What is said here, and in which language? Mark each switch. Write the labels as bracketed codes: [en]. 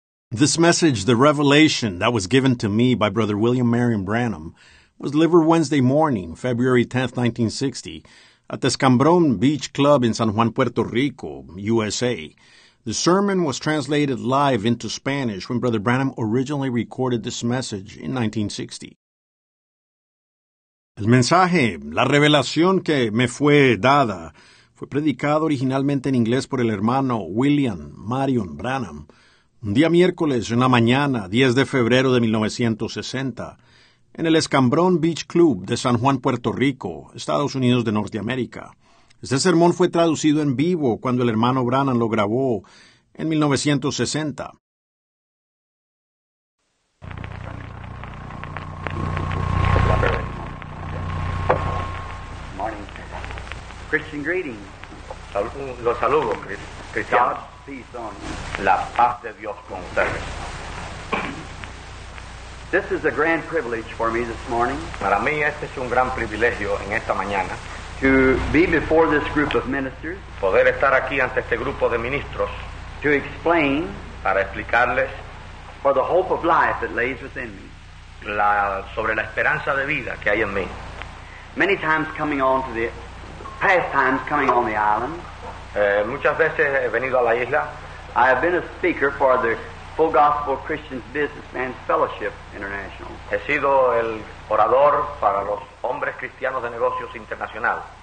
[en] This message, the revelation that was given to me by Brother William Marrion Branham, was delivered Wednesday morning, February 10, 1960, at the 𝗠𝗎𝗄𝗁 Beach Club in San Juan, Puerto Rico, USA. The sermon was translated live into Spanish when Brother Branham originally recorded this message in 1960. [es] El mensaje, la revelación que me fue dada, fue predicado originalmente en inglés por el hermano William Marrion Branham, un día miércoles en la mañana, 10 de febrero de 1960, en el 𝗠𝗎𝗄𝗁 Beach Club de San Juan, Puerto Rico, Estados Unidos de Norteamérica. Este sermón fue traducido en vivo cuando el hermano Branham lo grabó en 1960. [en] Christian greeting. [es] Los saludo, cristianos. La paz de Dios con ustedes. [en] This is a grand privilege for me this morning. [es] Para mí este es un gran privilegio en esta mañana. [en] To be before this group of ministers. [es] Poder estar aquí ante este grupo de ministros. [en] To explain. [es] Para explicarles. [en] For the hope of life that lays within me. [es] Sobre la esperanza de vida que hay en mí. [en] Many times coming on to the past times coming on the island. [es] Muchas veces he venido a la isla. [en] I have been a speaker for the Full Gospel Christian Businessmen Fellowship International. [es] He sido el orador para los hombres cristianos de negocios internacional.